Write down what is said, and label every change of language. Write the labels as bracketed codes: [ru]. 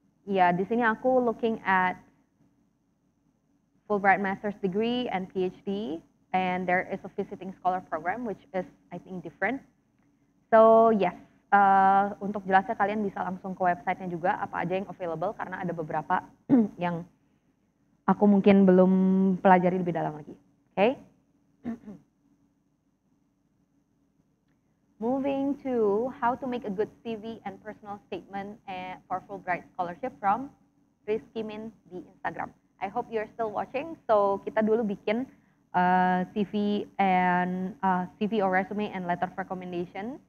[id] Di sini aku [en] looking at Fulbright master's degree and PhD, and there is a visiting scholar program, which is, I think, different. [id] So, yes, untuk jelasnya kalian bisa langsung ke website-nya juga, apa aja yang available, karena ada beberapa yang aku mungkin belum pelajari lebih dalam lagi. Okay? [en] moving to how to make a good CV and personal statement for Fulbright Scholarship from Rizky Min di Instagram. I hope you're still watching. So [id] kita dulu bikin [en] CV or resume and letter of recommendations.